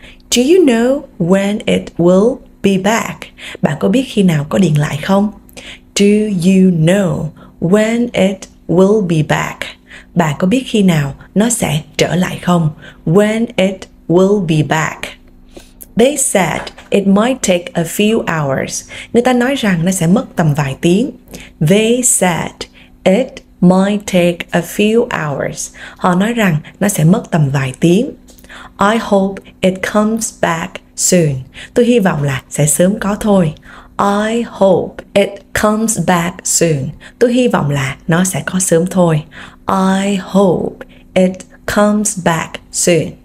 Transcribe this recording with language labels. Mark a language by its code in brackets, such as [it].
[en] Do you know when it will be back? [vi] Bạn có biết khi nào có điện lại không? [en] Do you know when it will be back? [vi] Bạn có biết khi nào nó sẽ trở lại không? [en] When it will be back. They said it might take a few hours. [vi] Người ta nói rằng nó sẽ mất tầm vài tiếng. [en] They said it might take a few hours. [vi] Họ nói rằng nó sẽ mất tầm vài tiếng. [en] I hope it comes back soon. [vi] Tôi hy vọng là sẽ sớm có thôi. [en] I hope it comes back soon. [vi] Tôi hy vọng là nó sẽ có sớm thôi. [en] I hope it comes back soon.